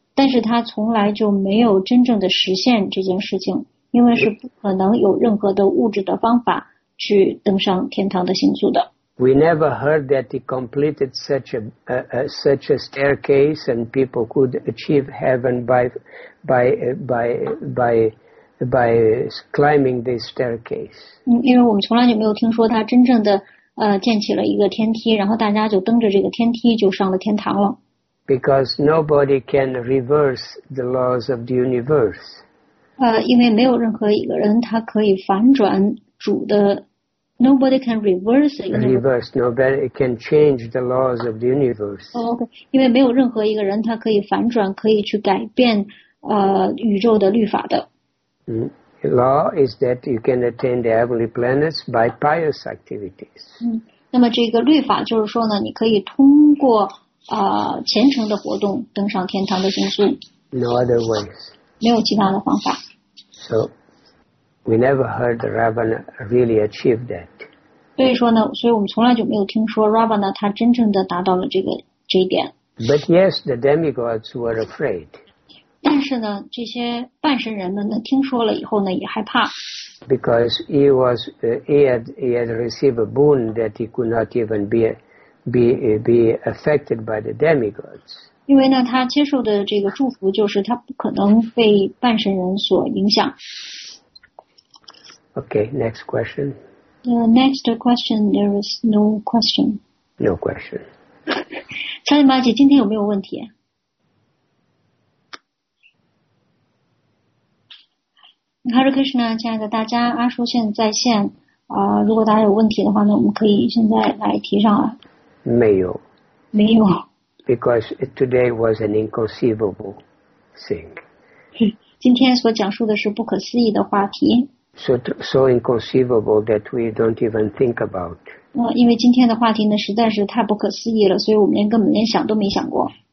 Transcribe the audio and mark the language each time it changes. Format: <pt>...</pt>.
<zh>但是他从来就没有真正的实现这件事情，因为是不可能有任何的物质的方法去登上天堂的星宿的。</zh> <en>We never heard that he completed such a staircase and people could achieve heaven by climbing this staircase.</en> <zh>因为我们从来就没有听说他真正的建起了一个天梯，然后大家就登着这个天梯就上了天堂了。</zh> <en>Because nobody can reverse the laws of the universe.</en> <zh>因为没有任何一个人他可以反转主的</zh> <en>Nobody can reverse the universe. Reverse, nobody can change the laws of the universe.</en> <zh>Okay, 因为没有任何一个人他可以反转可以去改变宇宙的律法的。</zh> <en>Law is that you can attain the heavenly planets by pious activities.</en> <zh>那么这个律法就是说呢，你可以通过虔诚的活动登上天堂的星宿。</zh> <en>No other ways.</en> <zh>没有其他的方法。</zh> <en>So, we never heard Ravana really achieve that.</en> <zh>所以说呢，所以我们从来就没有听说 Ravana 他真正的达到了这一点。</zh> <en>But yes, the demigods were afraid.</en> <zh>但是呢，这些半神人们呢，听说了以后呢，也害怕。</zh> <en>Because he had received a boon that he could not even be affected by the demigods. 因为呢，他接受的这个祝福就是他不可能被半神人所影响。 Okay, next question. The next question, there is no question. No question.</en> <zh>查理玛姐，今天有没有问题？ Hare Krishna， 亲爱的大家，阿叔现在在线啊、如果大家有问题的话呢，我们可以现在来提上来。没有，没有。</zh> <en>Because today was an inconceivable thing.</en> <zh>今天所讲述的是不可思议的话题。</zh> <en>So inconceivable that we don't even think about.</en> <zh>因为今天的话题呢实在是太不可思议了，所以我们连想都没想过。</zh>